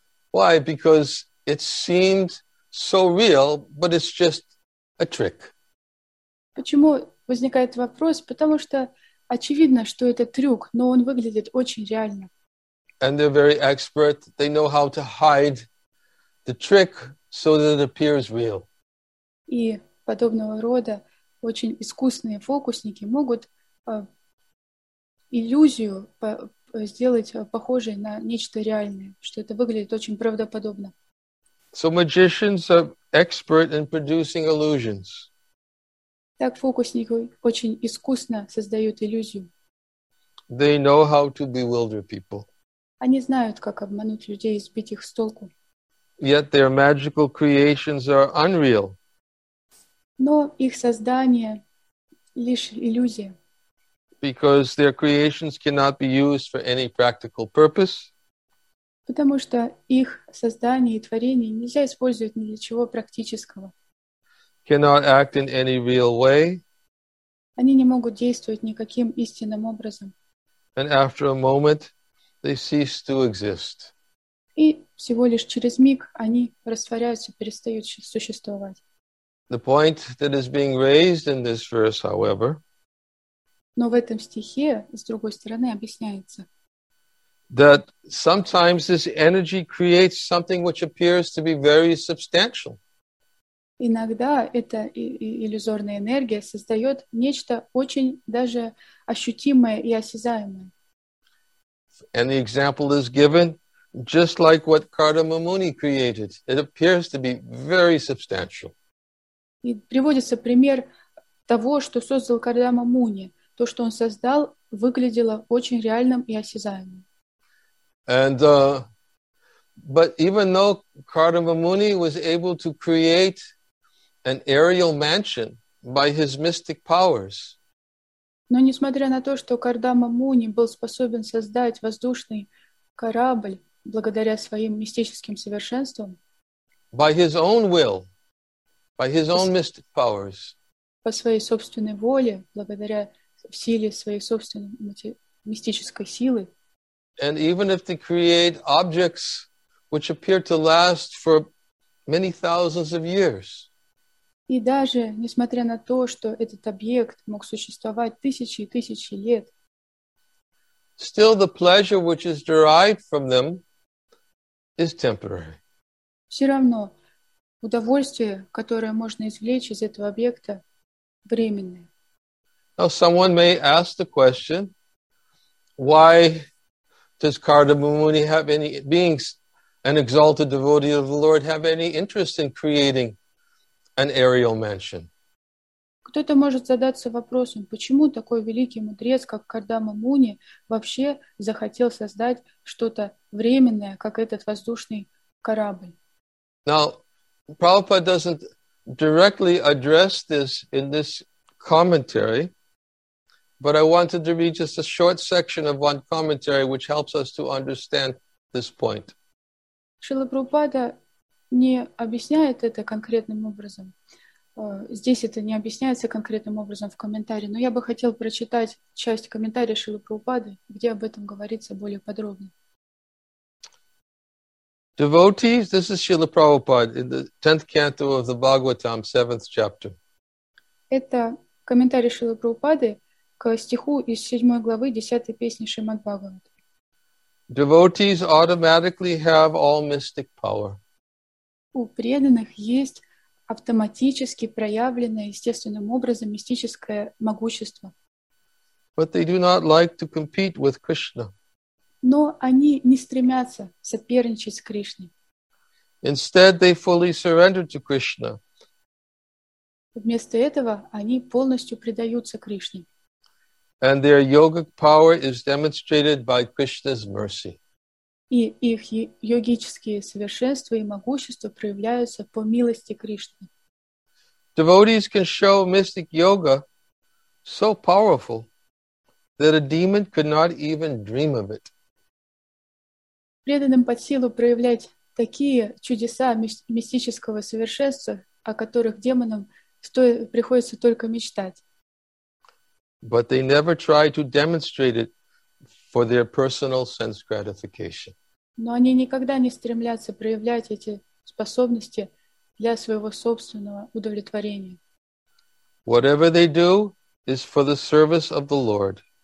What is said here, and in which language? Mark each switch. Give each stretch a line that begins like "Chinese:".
English: Why? Because it seemed so real, but it's just a trick.
Russian: Почему возникает вопрос? Потому что очевидно, что это трюк, но он выглядит очень реально.
English: And they're very expert. They know how to hide the trick so that it appears real.
Russian: И подобного рода очень искусные фокусники могут иллюзию сделать похожей на нечто реальное, что это выглядит очень правдоподобно.
English: So magicians are expert in producing illusions.
Russian: Так фокусники очень искусно создают иллюзию.
English: They know how to bewilder people.
Russian: Они знают, как обмануть людей и сбить их с толку.
English: Yet their magical creations are unreal.
Russian: Но их создание лишь иллюзия.
English: Because their creations cannot be used for any practical purpose.
Russian: Потому что их создание и творение нельзя использовать ни для чего практического.
English: Cannot act in any real way.
Russian: Они не могут действовать никаким истинным образом.
English: And after a moment, they cease to exist.
Russian: И всего лишь через миг они растворяются, перестают существовать.
English: The point that is being raised in this verse, however,
Russian: но в этом стихе, с другой стороны, объясняется,
English: that sometimes this energy creates something which appears to be very substantial.
Russian: Иногда эта иллюзорная энергия создает нечто очень даже ощутимое и осязаемое.
English: And the example is given just like what Kardama Muni created. It appears to be very substantial.
Russian: И приводится пример того, что создал Кардама Муни. То, что он создал, выглядело очень реальным и осязаемым.
English: And, but even though Kardama Muni was able to create an aerial mansion by his mystic powers.
Russian: Но несмотря на то, что Кардама Муни был способен создать воздушный корабль благодаря своим мистическим совершенствам,
English: by his own will, by his own mystic powers,
Russian: по своей собственной воле, благодаря силе своей собственной мистической силы,
English: and even if they create objects which appear to last for many thousands of years,
Russian: и даже несмотря на то, что этот объект мог существовать тысячи и тысячи лет,
English: still the pleasure which is derived from them is temporary.
Russian: Все равно удовольствие, которое можно извлечь из этого объекта, временное.
English: Now someone may ask the question, why does Kardama Muni have any beings, an exalted devotee of the Lord, have any interest in creating an aerial mansion?
Russian: Кто-то может задаться вопросом, почему такой великий мудрец, как Кардама Муни, вообще захотел создать что-то временное, как этот воздушный корабль?
English: Now, Prabhupada doesn't directly address this in this commentary, but I wanted to read just a short section of one commentary which helps us to understand this point.
Russian: Шрила Прабхупада не объясняет это конкретным образом. Здесь это не объясняется конкретным образом в комментарии, но я бы хотел прочитать часть комментария Шрилы Прабхупады, где об этом говорится более подробно.
English: Devotees, this is Srila Prabhupada in the 10th canto of the Bhagavatam, 7th chapter.
Russian: Это комментарий Шрилы Прабхупады к стиху из 7 главы 10 песни Шримад Бхагаватам.
English: Devotees automatically have all mystic power.
Russian: У преданных есть автоматически проявленное естественным образом мистическое могущество.
English: But they do not like to compete with Krishna.
Russian: Но они не стремятся соперничать с Кришной.
English: Instead, they fully surrender to Krishna.
Russian: Вместо этого они полностью предаются Кришне.
English: And their yogic power is demonstrated by Krishna's mercy.
Russian: И их йогические совершенства и могущество проявляются по милости Кришны.
English: Devotees can show mystic yoga so powerful that a demon could not even dream of it.
Russian: Преданным под силу проявлять такие чудеса мистического совершенства, о которых демонам приходится только мечтать.
English: But they never try to demonstrate it for their personal sense gratification.
Russian: Но они никогда не стремятся проявлять эти способности для своего собственного удовлетворения.
English: Whatever they do is for the service of the Lord.